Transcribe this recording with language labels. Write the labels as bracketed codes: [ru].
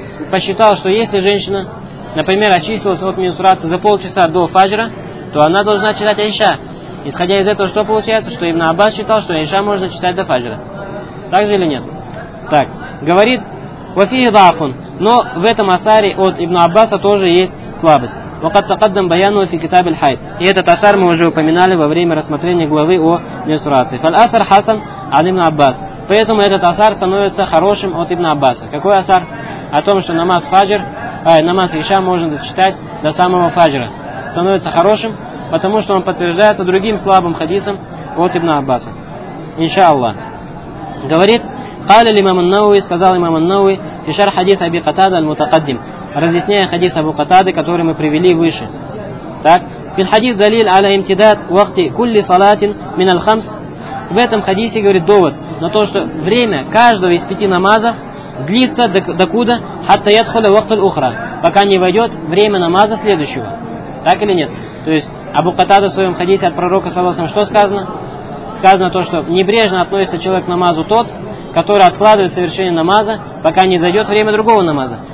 [ru] Посчитал, что если женщина, например, очистилась от менструации за полчаса до фаджра, то она должна читать айша. Исходя из этого, что получается? Что ибн Аббас считал, что айша можно читать до фаджра. Так же или нет? Так. Говорит [ar] وفيه ضعف, [ru] но в этом асаре от Ибн Аббаса тоже есть слабость. [ar] وقد تقدم بيانه في كتاب الحيض. [ru] И этот асар мы уже упоминали во время рассмотрения главы о менструации. [ar] فالأثر حسن عن ابن عباس. [ru] Поэтому этот асар становится хорошим от Ибн Аббаса. Какой асар? О том, что намаз фаджр, намаз иша можно дочитать до самого фаджра. Становится хорошим, потому что он подтверждается другим слабым хадисом от Ибн Аббаса. Иншааллах. Говорит [ar] قال الإمام النووي [ru] сказал имам ан-Науи [ar] في شرح حديث أبي قتادة المتقدم [ru] разъясняя хадис Абу Катады, который мы привели выше. Так, [ar] في الحديث دليل على امتداد وقت كل صلاة من الخمس. [ru] В этом хадисе говорит довод на то, что время каждого из пяти намазов длится докуда [ar] حتى يدخل وقت الأخرى, [ru] пока не войдет время намаза следующего. Так или нет? То есть Абу Катада в своем хадисе от Пророка саллаллаху алейхи ва саллям что сказано? Сказано то, что небрежно относится человек к намазу тот, который откладывает совершение намаза, пока не зайдет время другого намаза.